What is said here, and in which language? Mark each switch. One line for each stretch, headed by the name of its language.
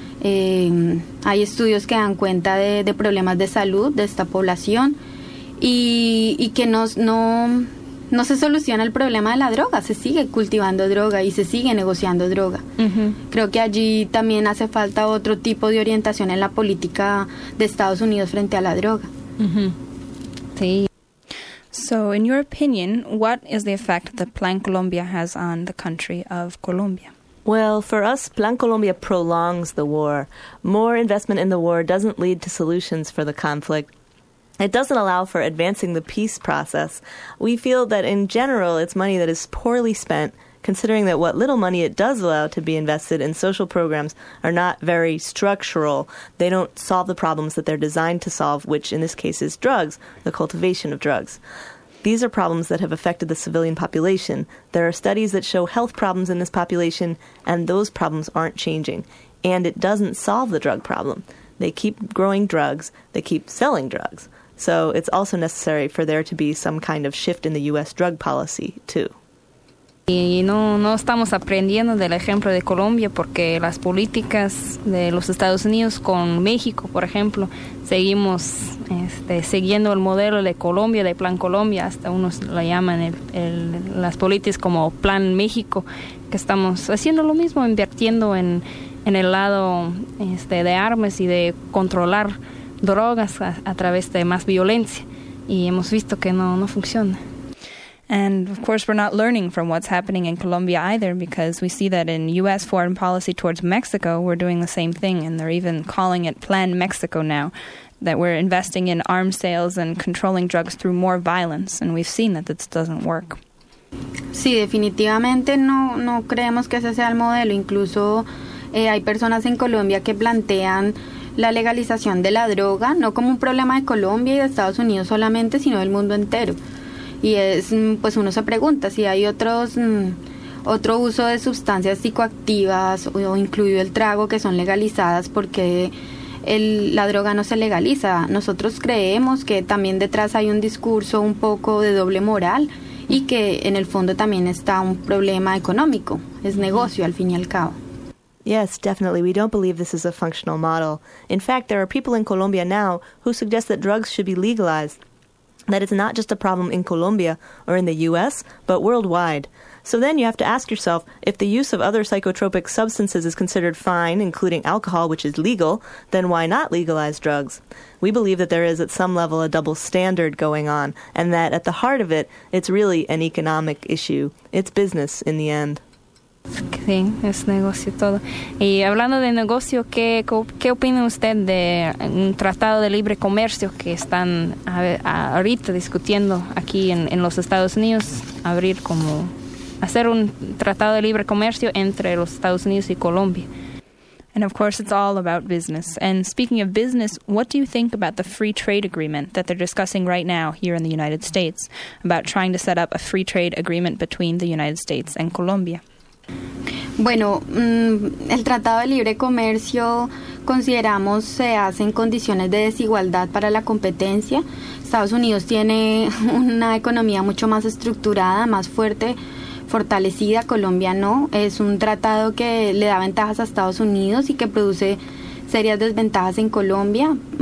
Spanish: Hay estudios que dan cuenta de problemas de salud de esta población y que no se soluciona el problema de la droga, se sigue cultivando droga y se sigue negociando droga. Creo que allí también hace falta otro tipo de orientación en la política de Estados Unidos frente a la droga. Sí.
English: So, in your opinion, what is the effect that Plan Colombia has on the country of Colombia? Well, for us, Plan Colombia prolongs the war. More investment in the war doesn't lead to solutions for the conflict. It doesn't allow for advancing the peace process. We feel that in general, it's money that is poorly spent, considering that what little money it does allow to be invested in social programs are not very structural. They don't solve the problems that they're designed to solve, which in this case is drugs, the cultivation of drugs. These are problems that have affected the civilian population. There are studies that show health problems in this population, and those problems aren't changing. And it doesn't solve the drug problem. They keep growing drugs. They keep selling drugs. So it's also necessary for there to be some kind of shift in the U.S. drug policy, too.
Spanish: Y no estamos aprendiendo del ejemplo de Colombia porque las políticas de los Estados Unidos con México, por ejemplo, seguimos siguiendo el modelo de Colombia, de Plan Colombia, hasta unos la llaman las políticas como Plan México, que estamos haciendo lo mismo, invirtiendo en el lado de armas y de controlar drogas a través de más violencia. Y hemos visto que no funciona.
English: And, of course, we're not learning from what's happening in Colombia either, because we see that in U.S. foreign policy towards Mexico, we're doing the same thing, and they're even calling it Plan Mexico now, that we're investing in arms sales and controlling drugs through more violence, and we've seen that this doesn't work.
Spanish: Sí, definitivamente no creemos que ese sea el modelo. Incluso hay personas en Colombia que plantean la legalización de la droga, no como un problema de Colombia y de Estados Unidos solamente, sino del mundo entero. Y es, pues uno se pregunta si hay otro uso de sustancias psicoactivas o incluido el trago que son legalizadas, porque la droga no se legaliza. Nosotros creemos que también detrás hay un discurso un poco de doble moral y que en el fondo también está un problema económico, es negocio al fin y al cabo.
English: Yes, definitely. We don't believe this is a functional model. In fact, there are people in Colombia now who suggest that drugs should be legalized, that it's not just a problem in Colombia or in the U.S., but worldwide. So then you have to ask yourself, if the use of other psychotropic substances is considered fine, including alcohol, which is legal, then why not legalize drugs? We believe that there is, at some level, a double standard going on, and that at the heart of it, it's really an economic issue. It's business in the end.
Spanish: Sí, es negocio todo. Y hablando de negocio, ¿qué opina usted de un tratado de libre comercio que están ahorita discutiendo aquí en los Estados Unidos? Abrir como hacer un tratado de libre comercio entre los Estados Unidos y Colombia.
English: And of course, it's all about business. And speaking of business, what do you think about the free trade agreement that they're discussing right now here in the United States, about trying to set up a free trade agreement between the United States and Colombia?
Spanish: Bueno, el Tratado de Libre Comercio consideramos se hace en condiciones de desigualdad para la competencia. Estados Unidos tiene una economía mucho más estructurada, más fuerte, fortalecida. Colombia no. Es un tratado que le da ventajas a Estados Unidos y que produce serias desventajas en Colombia.